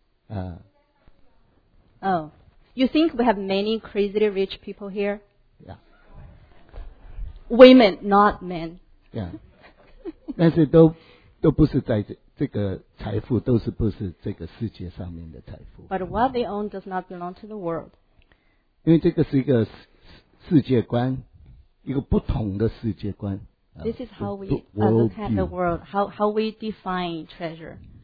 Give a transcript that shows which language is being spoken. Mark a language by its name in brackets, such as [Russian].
[English] You think we have many crazy rich people here? Yeah. Women, not men. Yeah. [Chinese] 但是都不是在这个财富，都是不是这个世界上面的财富。 [English] But what they own does not belong to the world. [Chinese] 因为这个是一个世界观，一个不同的世界观。 [English] This is how we look at the world, how we define treasure.